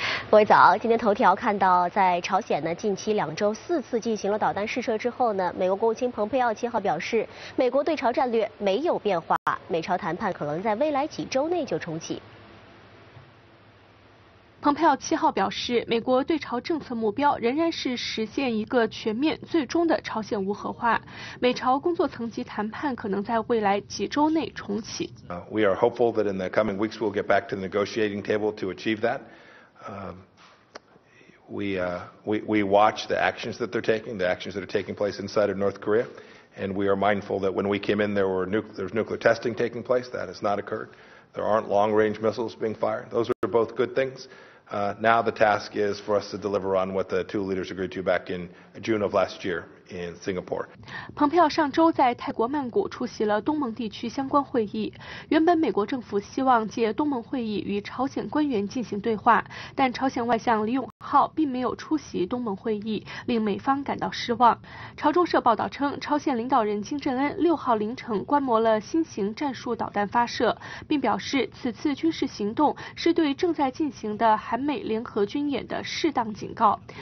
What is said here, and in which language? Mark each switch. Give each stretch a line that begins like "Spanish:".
Chinese: 各位早，今天头条看到，在朝鲜呢近期两周四次进行了导弹试射之后呢，美国国务卿蓬佩奥七号表示，美国对朝战略没有变化，美朝谈判可能在未来几周内就重启。蓬佩奥七号表示，美国对朝政策目标仍然是实现一个全面最终的朝鲜无核化，美朝工作层级谈判可能在未来几周内重启。
English: We are hopeful that in the coming weeks we'll get back to the negotiating table to achieve that. We watch the actions that they're taking, the actions that are taking place inside of North Korea, and we are mindful that when we came in, there was nuclear testing taking place. That has not occurred. There aren't long-range missiles being fired. Those are both good things. Now the task is for us to deliver on what the two leaders agreed to back in June of last year. In Singapore.
Chinese: 蓬佩奥上周在泰国曼谷出席了东盟地区相关会议。原本美国政府希望借东盟会议与朝鲜官员进行对话，但朝鲜外相李永浩并没有出席东盟会议，令美方感到失望。朝中社报道称，朝鲜领导人金正恩6号凌晨观摩了新型战术导弹发射，并表示此次军事行动是对正在进行的韩美联合军演的适当警告。